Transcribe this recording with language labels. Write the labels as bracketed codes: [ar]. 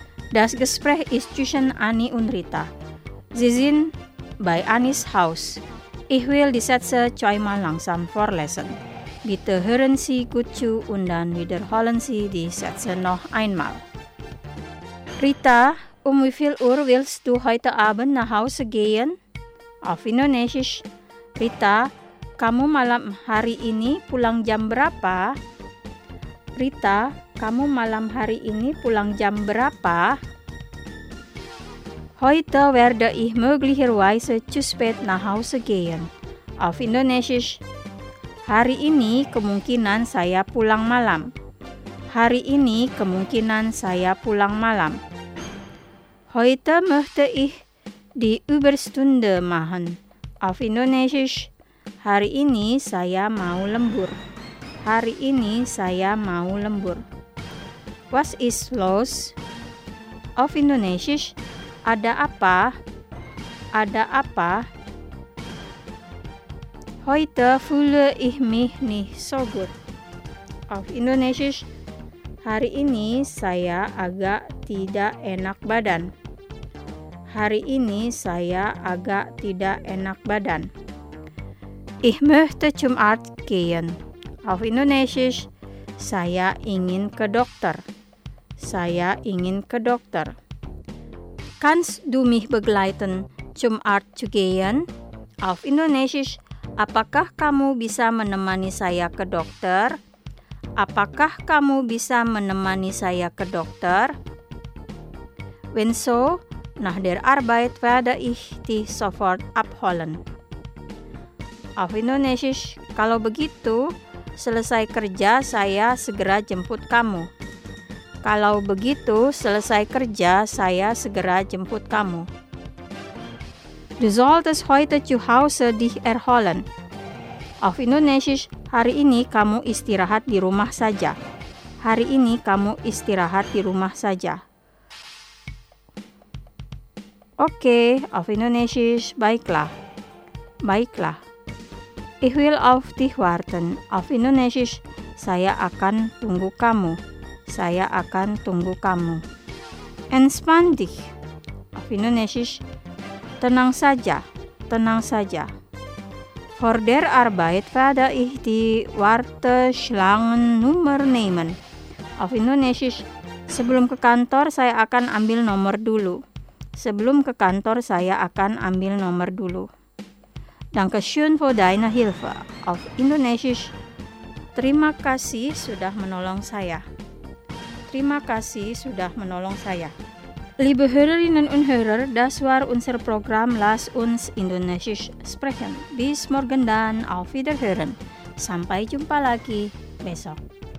[de] Das Gespräch ist zwischen Ani und Rita. Sie sind bei Anis Haus. Ich will die Sätze zweimal langsam vorlesen. Bitte hören Sie gut zu und dann wiederholen Sie die Sätze noch einmal. Rita, wie viel Uhr willst du heute Abend nach Hause gehen? Auf Indonesisch. [id] Rita, kamu malam hari ini pulang jam berapa? Rita, kamu malam hari ini pulang jam berapa? [de] Heute werde ich möglicherweise zu spät nach Hause gehen. Auf Indonesisch. [id] Hari ini kemungkinan saya pulang malam. Hari ini kemungkinan saya pulang malam. [de] Heute möchte ich die Überstunde machen. Auf Indonesisch. [id] Hari ini saya mau lembur. Hari ini saya mau lembur. [de] Was ist los? Auf Indonesisch. [id] Ada apa? Ada apa? [de] Heute fühle ich mich nicht so gut. [en] of Indonesia. [id] Hari ini saya agak tidak enak badan. Hari ini saya agak tidak enak badan. [de] Ich möchte zum Arzt gehen. Auf Indonesisch. [id] Saya ingin ke dokter. Saya ingin ke dokter. [de] Kannst du mich begleiten zum Arzt zu gehen? Auf Indonesisch. [id] Apakah kamu bisa menemani saya ke dokter? Apakah kamu bisa menemani saya ke dokter? [de] Wenn so, nach der Arbeit werde ich dich sofort abholen. Auf Indonesisch. [id] Kalau begitu, selesai kerja saya segera jemput kamu. Kalau begitu, selesai kerja saya segera jemput kamu. [de] Du solltest heute zu Hause dich erholen. Auf Indonesisch. [id] Hari ini kamu istirahat di rumah saja. Hari ini kamu istirahat di rumah saja. [de] Oke, auf Indonesisch. [id] Baiklah. Baiklah. [de] Ich will auf dich warten. Auf Indonesisch. [id] Saya akan tunggu kamu. Saya akan tunggu kamu. [de] Entspann dich. Auf Indonesisch. [id] Tenang saja. Tenang saja. [de] Vor der Arbeit werde ich die Warteschlangennummer nehmen. Auf Indonesisch. [id] Sebelum ke kantor saya akan ambil nomor dulu. Sebelum ke kantor saya akan ambil nomor dulu. [de] Danke schön für deine Hilfe. Auf Indonesisch. [id] Terima kasih sudah menolong saya. Terima kasih sudah menolong saya. [de] Liebe Hörerinnen und Hörer, das war unser Programm Lass uns Indonesisch sprechen. Bis morgen dann, auf Wiederhören. [id] Sampai jumpa lagi besok.